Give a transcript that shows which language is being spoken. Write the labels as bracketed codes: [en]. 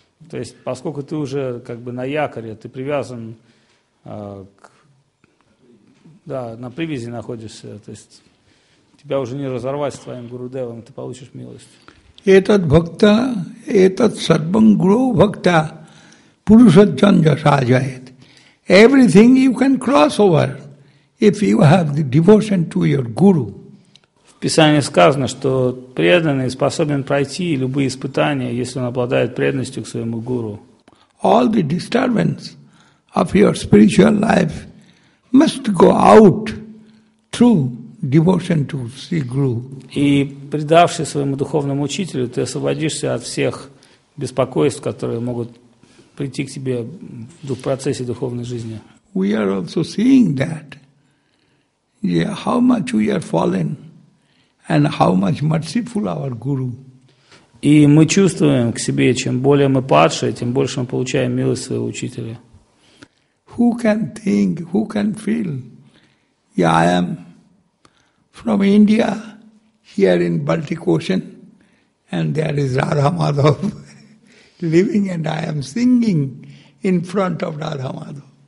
[ru] То есть, поскольку ты уже как бы на якоре, ты привязан к. Да, на привязи находишься, то есть тебя уже не разорвать с твоим Гурудевом, ты получишь милость. Этот бхакта, этот сарбан гуру бхакта, пурушаджанджа сажает. [en] Everything you can cross over, if you have the devotion to your guru. [ru] В Писании сказано, что преданный способен пройти любые испытания, если он обладает преданностью к своему гуру. [en] All the disturbance of your spiritual life must go out through devotion to Sri Guru. [ru] И предавшись своему духовному учителю, ты освободишься от всех беспокойств, которые могут прийти к тебе в процессе духовной жизни. [en] We are also seeing that, yeah, how much we are fallen and how much merciful our Guru. [ru] И мы чувствуем к себе, чем более мы падшие, тем больше мы получаем милость своего учителя. [en] Who can think, who can feel, yeah, I am from India, here in Baltic Ocean, and there is Radha Madhav living, and I am singing in front of Radha Madhav.